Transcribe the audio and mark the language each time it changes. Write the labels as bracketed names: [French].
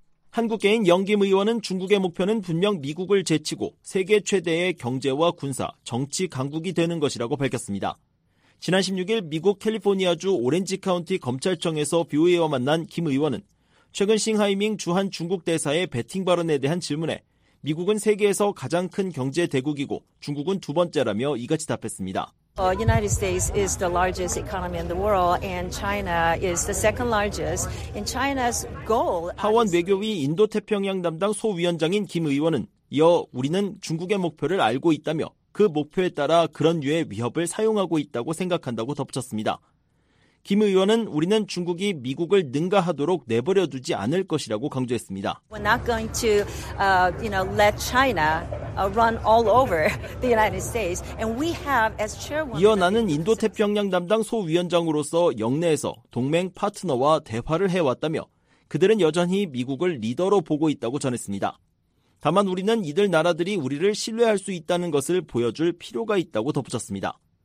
[Korean] 한국계인 영김 의원은 중국의 목표는 분명 미국을 제치고 세계 최대의 경제와 군사, 정치 강국이 되는 것이라고 밝혔습니다. 지난 16일 미국 캘리포니아주 오렌지 카운티 검찰청에서 BOA와 만난 김 의원은 최근 싱하이밍 주한 중국 대사의 배팅 발언에 대한 질문에 미국은 세계에서 가장 큰 경제 대국이고 중국은 두 번째라며 이같이 답했습니다. [English] United States is the largest economy in the world and China is the second largest. And China's goal. [Korean] 하원 외교위 인도태평양 담당 소위원장인 김 의원은 이어 우리는 중국의 목표를 알고 있다며 그 목표에 따라 그런 류의 위협을 사용하고 있다고 생각한다고 덧붙였습니다. 김 의원은 우리는 중국이 미국을 능가하도록 내버려 두지 않을 것이라고 강조했습니다. [English] We're not going to, you know, let China run all over the United States. And we have as chairwoman. [Korean] 이어 나는 인도태평양 담당 소위원장으로서 역내에서 동맹 파트너와 대화를 해왔다며 그들은 여전히 미국을 리더로 보고 있다고 전했습니다. 다만 우리는 이들 나라들이 우리를 신뢰할 수 있다는 것을 보여줄 필요가 있다고 덧붙였습니다.